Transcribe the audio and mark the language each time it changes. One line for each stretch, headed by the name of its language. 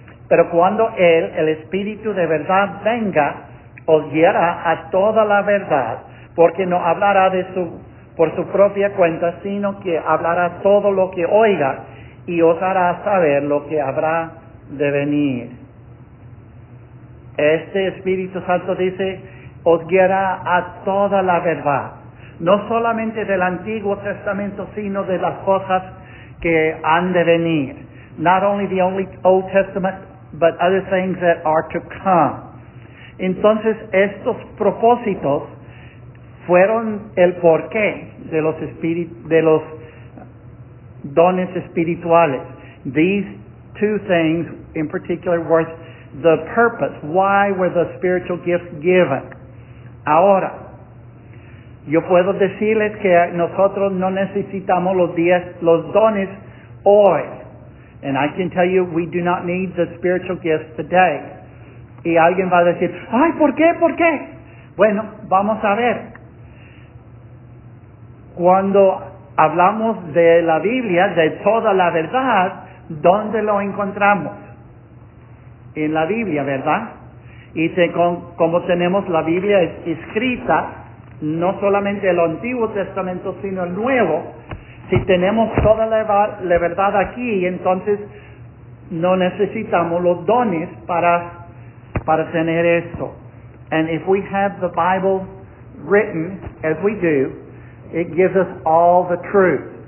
Spanish: Pero cuando Él, el Espíritu de verdad, venga, os guiará a toda la verdad, porque no hablará de por su propia cuenta, sino que hablará todo lo que oiga y os hará saber lo que habrá de venir. Este Espíritu Santo dice, os guiará a toda la verdad, no solamente del Antiguo Testamento, sino de las cosas que han de venir.
English: Not only the only Old Testament, but other things that are to come.
Spanish: Entonces, estos propósitos fueron el porqué de los dones espirituales.
English: These two things, in particular, were the purpose. Why were the spiritual gifts given?
Spanish: Ahora, yo puedo decirles que nosotros no necesitamos los dones hoy.
English: And I can tell you, we do not need the spiritual gifts today.
Spanish: Y alguien va a decir, ay, ¿por qué? Bueno, vamos a ver. Cuando hablamos de la Biblia, de toda la verdad, ¿dónde lo encontramos? En la Biblia, ¿verdad? Y como tenemos la Biblia escrita, no solamente el Antiguo Testamento, sino el Nuevo, si tenemos toda la verdad aquí, entonces no necesitamos los dones para tener esto.
English: And if we have the Bible written, as we do, it gives us all the truth.